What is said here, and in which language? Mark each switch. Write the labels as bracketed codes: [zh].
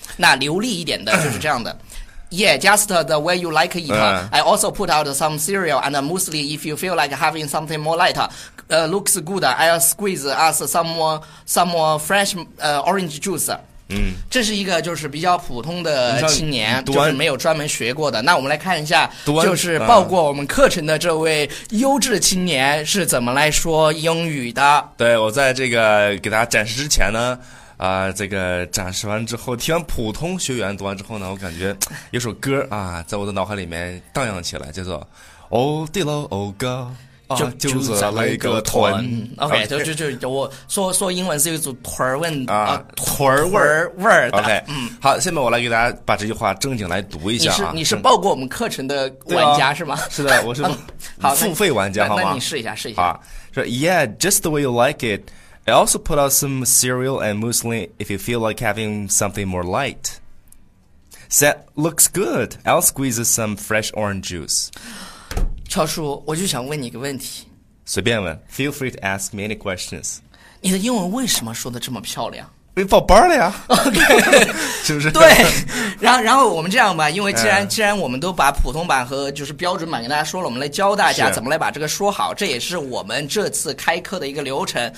[zh] 那流利一点的就是这样的。 [en] Yeah, just the way you like it. I also put out some cereal and mostly if you feel like having something more light, looks good, I'll squeeze us some more fresh orange juice. 嗯， [zh] 这是一个就是比较普通的青年，就是没有专门学过的。那我们来看一下，就是报过我们课程的这位优质青年是怎么来说英语的。对，我在这个给大家展示之前呢，这个展示完之后，听完普通学员读完之后呢，我感觉有首歌啊，在我的脑海里面荡漾起来，叫做《Oh, Dilo, Oh, God》。就是那个屯 ， [en] OK， [zh] 就我说英文是一组屯味啊，屯味味 [en] OK， [zh] 好，下面我来给大家把这句话正经来读一下、啊。你是报过我们课程的玩家、是吗？是的，我是付费玩家，好吗？那你试一下。说 [en] Yeah, just the way you like it. I also put out some cereal and muesli if you feel like having something more light. That looks good. I'll squeeze some fresh orange juice. [zh] 超叔，我就想问你一个问题。随便问 [en] ，feel free to ask me any questions。 [zh] 你的英文为什么说的这么漂亮？因为报班了呀。 [en] OK， [zh] 是不是？对。然后我们这样吧，因为既然我们都把普通版和就是标准版跟大家说了，我们来教大家怎么来把这个说好，这也是我们这次开课的一个流程。